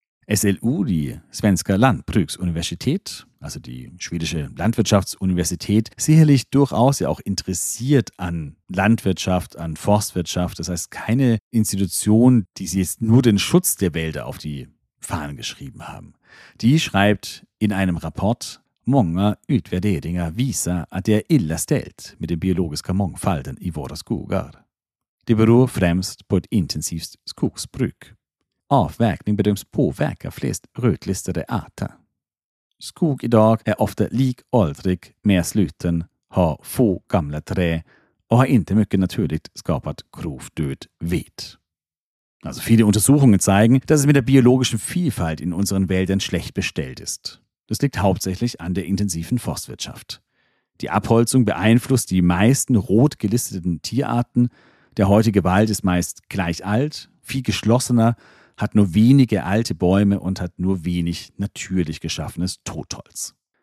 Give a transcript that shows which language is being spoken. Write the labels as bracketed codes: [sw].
[de] SLU, die Svenska Lantbruksuniversitet, also die schwedische Landwirtschaftsuniversität, sicherlich durchaus ja auch interessiert an Landwirtschaft, an Forstwirtschaft. Das heißt, keine Institution, die sie jetzt nur den Schutz der Wälder auf die Fahnen geschrieben haben. Die schreibt in einem Rapport, [sv] Många utvärderingar visar att det är illa ställt med den biologiska mångfalden i våra skogar. Det beror främst på ett intensivt skogsbruk. Avverkning bedöms påverka flest rödlistade arter. Skog idag är ofta likåldrig, mer sluten, har få gamla trä och har inte mycket naturligt skapat grovdöd ved. [de] Also viele Untersuchungen zeigen, dass es mit der biologischen Vielfalt in unseren Wäldern schlecht bestellt ist. Das liegt hauptsächlich an der intensiven Forstwirtschaft. Die Abholzung beeinflusst die meisten rot gelisteten Tierarten. Der heutige Wald ist meist gleich alt, viel geschlossener, hat nur wenige alte Bäume und hat nur wenig natürlich geschaffenes Totholz.